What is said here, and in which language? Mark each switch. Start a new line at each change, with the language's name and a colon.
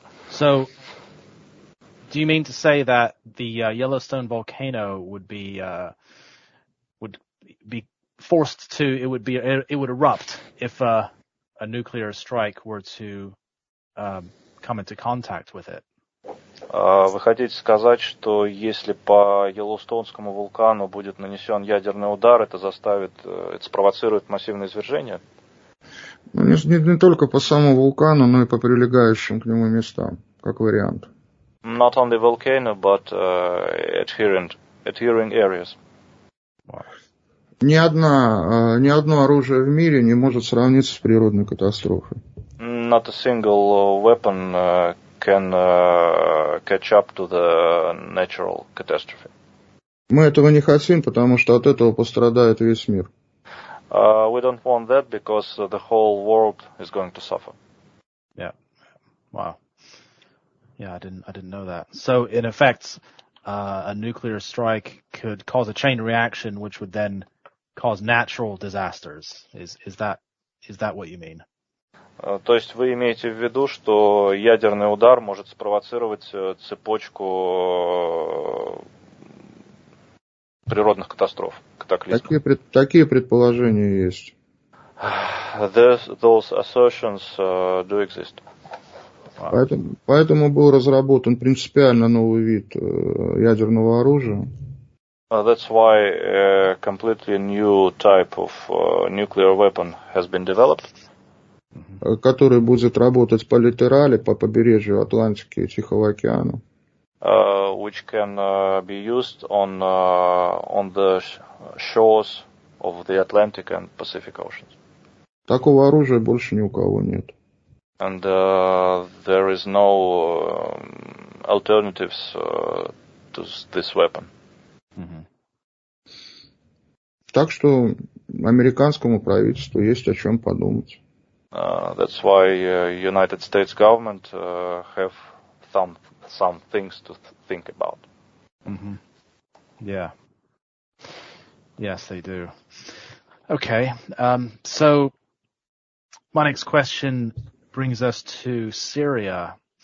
English: So, do you mean to say that the Yellowstone volcano would erupt if a nuclear strike were to come into contact with it?
Russian: Вы хотите сказать, что если по Йеллоустонскому вулкану будет нанесен ядерный удар, это заставит, это спровоцирует массивное извержение? Ну, не только по самому вулкану, но и по прилегающим к нему местам, как вариант.
English: Not only volcano, but adhering areas.
Russian: Ни одно оружие в мире не может сравниться с природной катастрофой.
English: Not a single weapon can catch up to the natural catastrophe.
Russian: Мы этого не хотим, потому что от этого пострадает весь мир.
English: We don't want that because the whole world is going to suffer. Yeah. Wow. Yeah, I didn't know that. So in effect, a nuclear strike could cause a chain reaction, which would then cause natural disasters. Is that what you mean?
Russian: То есть вы имеете в виду, что ядерный удар может спровоцировать цепочку природных катастроф, катаклизмов? Такие предположения есть.
English: Those assertions do exist.
Russian: Поэтому был разработан принципиально новый вид ядерного оружия.
English: That's why a completely new type of nuclear weapon has been developed.
Russian: Который будет работать по литерали, по побережью Атлантики и Тихого океана.
English: Which can be used on the shores of the Atlantic and Pacific Oceans.
Russian: Такого оружия больше ни у кого нет.
English: And there is no alternatives to this weapon. Mm-hmm.
Russian: Так что американскому правительству есть о чем подумать.
English: That's why United States government have some things to think about. Mm-hmm. Yeah. Yes, they do. Okay. So my next question brings us to Syria.